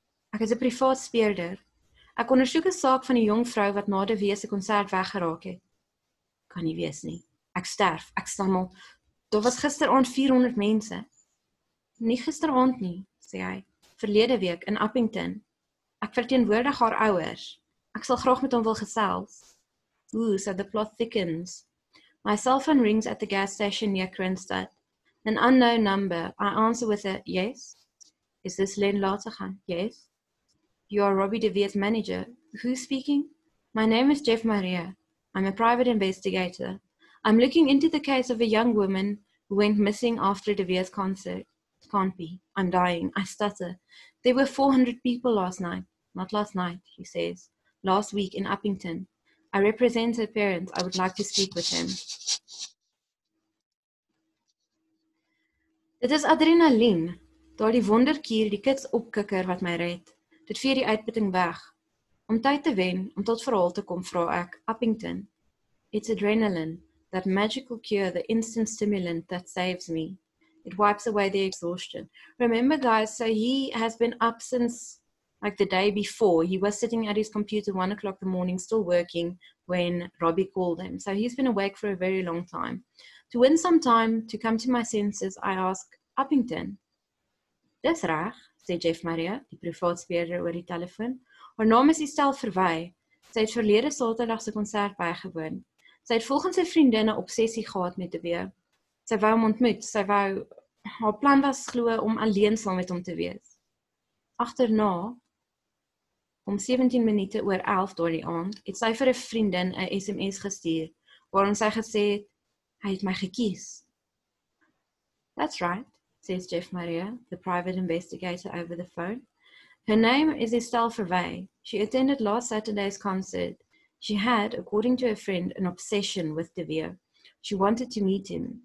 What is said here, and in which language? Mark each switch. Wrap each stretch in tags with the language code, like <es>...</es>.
<af>Ek is 'n privaat speurder. Ek ondersoek 'n saak van die jong vrou wat na de Wee se konsert weggeraak het. kan nie wees nie. Ek sterf, ek stammel. Daar was gisteraand 400 mense. Nie gisteraand nie, sê hy. Verlede week in Appington. Ek verteenwoordig haar ouers. Ek sal graag met hom wil gesels.</af> <en>Ooh, so the plot thickens. My cell phone rings at the gas station near Krenstad. An unknown number. I answer with a yes. Is this Len Lotterham? Yes. You are Robbie de Vier's manager. Who's speaking? My name is Jeff Maria. I'm a private investigator. I'm looking into the case of a young woman who went missing after de Vier's concert. Can't be. I'm dying. I stutter. There were 400 people last night. Not last night, he says. Last week in Uppington. I represent her parents. I would like to speak with him.</en> <af>Dit is adrenalien, daar die wonderkier die kits opkikker wat my red. Dit veer die uitputting weg. Om tyd te wen, om tot verhaal te kom, vraag ek, Appington.</af> <en>It's adrenaline, that magical cure, the instant stimulant that saves me. It wipes away the exhaustion. Remember guys, so he has been up since like the day before. He was sitting at his computer 1 o'clock in the morning, still working when Robbie called him. So he's been awake for a very long time. To win some time to come to my senses, I ask Appington.</en> <af>Dis reg, sê Jeff Maria, die privaatspeerder oor die telefoon. Haar naam is Estelle Verwey. Sy het verlede saterdag sy konsert bygewoon. Sy het volgens sy vriendin 'n obsessie gehad met DeWee. Sy wou hom ontmoet. Sy wou, haar plan was glo om alleen saam met hom te wees. Agterna, om 17 minute oor 11 daar die aand, het sy vir 'n vriendin 'n SMS gestuur, waarin sy gesê het, hy het my gekies.</af> <en>That's right, says Jeff Maria, the private investigator over the phone. Her name is Estelle Verwey. She attended last Saturday's concert. She had, according to her friend, an obsession with DeVere. She wanted to meet him.</en>